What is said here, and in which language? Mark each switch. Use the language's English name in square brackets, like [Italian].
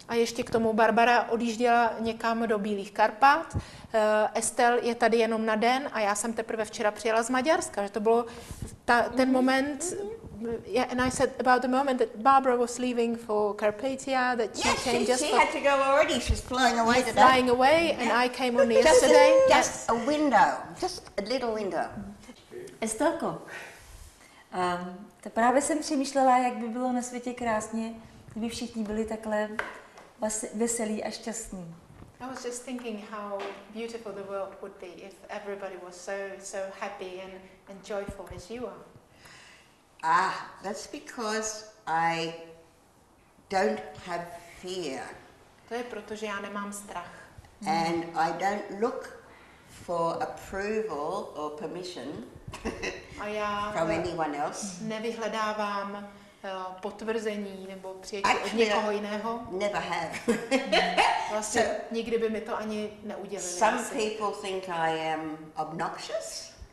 [Czech] A ještě k tomu Barbara odjížděla někam do Bílých Karpat. Estelle je tady jenom na den a já jsem teprve včera přijela z Maďarska, že to bylo ten moment. [English] Yeah, and I said about the moment that Barbara was leaving for Carpathia, that she came just. Yes, she had to go already. She's flying away today. Flying away, and I came only yesterday. Just a little window. [Czech] Estelko, to právě jsem přemýšlela, jak by bylo na světě krásně, kdyby všichni byli takhle veselí a šťastní. [English] I was just thinking how beautiful the world would be if everybody was so happy and joyful as you are. Ah, that's because I don't have fear. [Czech] To je proto, že já nemám strach. [English] And I don't look for approval or permission from anyone else. [Czech] Nevyhledávám potvrzení nebo přijetí od někoho jiného. [English] Never have. [Czech] Vlastně nikdy by mi to ani neudělili. [English] Some people think I am obnoxious.